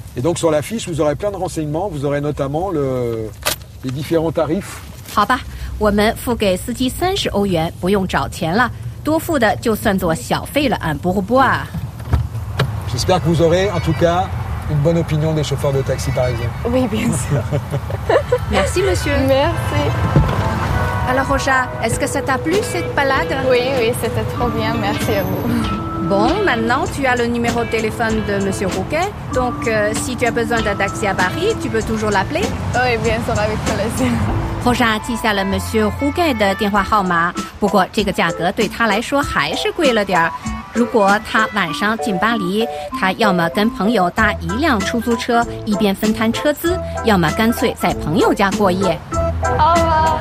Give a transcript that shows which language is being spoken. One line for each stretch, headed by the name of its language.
French: Et donc sur la fiche, vous aurez plein de renseignements, vous aurez notamment les différents tarifs.
Chinese: 好吧, 我们付给司机30欧元, 不用找钱了, 多付的就算作小费了,
French: un pourboire. J'espère que vous aurez, en tout cas, une bonne opinion des chauffeurs de taxi parisiens. Oui, bien sûr. Merci, monsieur. Merci. Alors, Roja, est-ce que ça t'a plu, cette balade? Oui, oui, c'était trop bien. Merci à vous. Bon, maintenant, tu as le numéro de téléphone de monsieur Rouquet. Donc, si tu as besoin d'un taxi à Paris, tu peux toujours l'appeler. Oui, bien sûr, avec plaisir.
Chinese: Roja 记下了 monsieur Rouquet 的电话号码，不过这个价格对他来说还是贵了点儿。如果他晚上进巴黎，他要么跟朋友搭一辆出租车，一边分摊车资，要么干脆在朋友家过夜。
French: Au revoir.